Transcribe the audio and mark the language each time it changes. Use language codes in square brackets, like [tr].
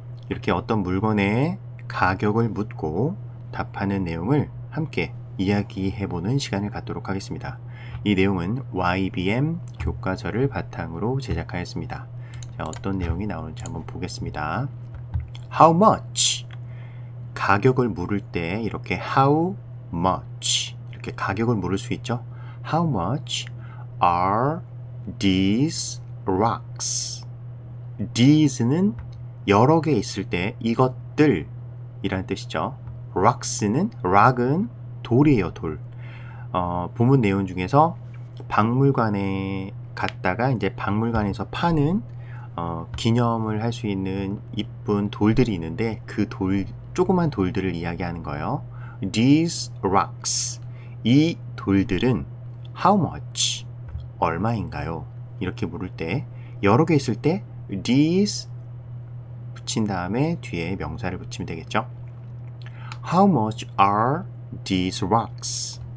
[ko] 이렇게 어떤 물건의 가격을 묻고 답하는 내용을 함께 이야기해보는 시간을 갖도록 하겠습니다. 이 내용은 YBM 교과서를 바탕으로 제작하였습니다. 자, 어떤 내용이 나오는지 한번 보겠습니다. [en] How much? [ko] 가격을 물을 때 이렇게 [en] How much? [ko] 이렇게 가격을 물을 수 있죠. [en] How much are these rocks? [ko] These는 여러 개 있을 때 이것들이라는 뜻이죠. Rocks는 rock은 돌이에요, 돌. 본문 내용 중에서 박물관에 갔다가 이제 박물관에서 파는 기념을 할 수 있는 이쁜 돌들이 있는데 그 돌, 조그만 돌들을 이야기하는 거예요. [en] These rocks. [ko] 이 돌들은 [en] how much? [ko] 얼마인가요? 이렇게 물을 때 여러 개 있을 때 these 붙인 다음에 뒤에 명사를 붙이면 되겠죠. [en] How much are these rocks?